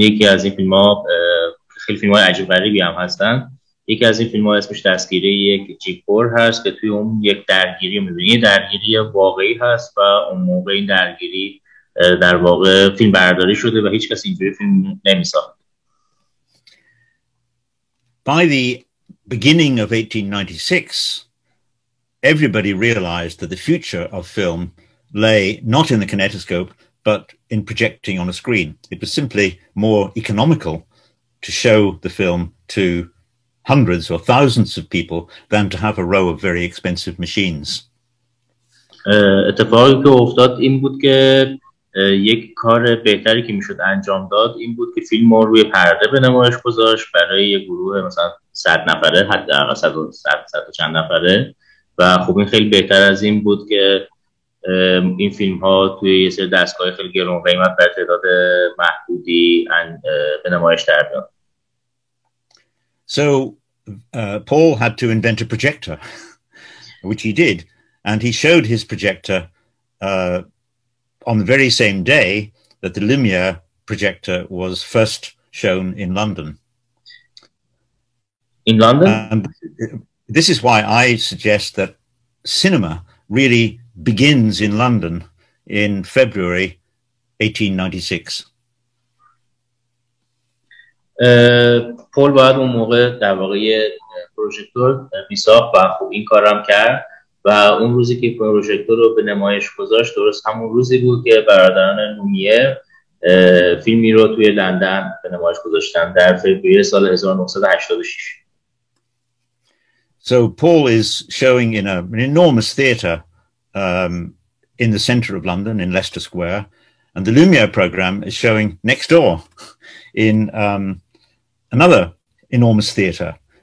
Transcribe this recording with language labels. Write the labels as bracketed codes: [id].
[fa] یکی از این فیلم ها خیلی فیلم های عجیب غریبی هم هستن. یکی از این فیلم ها اسمش دستگیری یک جیپور هست که توی اون یک درگیری رو میبینید. درگیری واقعی هست و اون موقع این درگیری در واقع فیلم برداری شده و هیچ کسی اینجوری فیلم نمی ساخت. [en] By the beginning of 1896, everybody realized that the future of film lay not in the kinetoscope, but in projecting on a screen. It was simply more economical to show the film to hundreds or thousands of people than to have a row of very expensive machines. [fa] اتفاقی که افتاد این بود که یک کار بهتری که میشد انجام داد این بود که فیلم رو روی پرده به نمایش گذاشت برای یه گروه مثلا 100 نفره حداقل 100 و چند نفره و خب این خیلی بهتر از این بود که این فیلم ها توی یه سری دستگاه خیلی گران قیمت در تعداد محدودی به نمایش در بیان. [en] So Paul had to invent a projector, which he did, and he showed his projector on the very same day that the Lumiere projector was first shown in London. In London? And this is why I suggest that cinema really begins in London in February 1896. [fa] پول باید اون موقع در واقع پروژکتور بیساخت و خوب این کار هم کرد و اون روزی که پروژکتور رو به نمایش گذاشت درست همون روزی بود که برادران لومیه فیلمی رو توی لندن به نمایش گذاشتن در فوریه سال 1986. [en] So Paul is showing in an enormous theatre in the centre of London in Leicester Square, and the Lumiere programme is showing next door in another enormous theatre.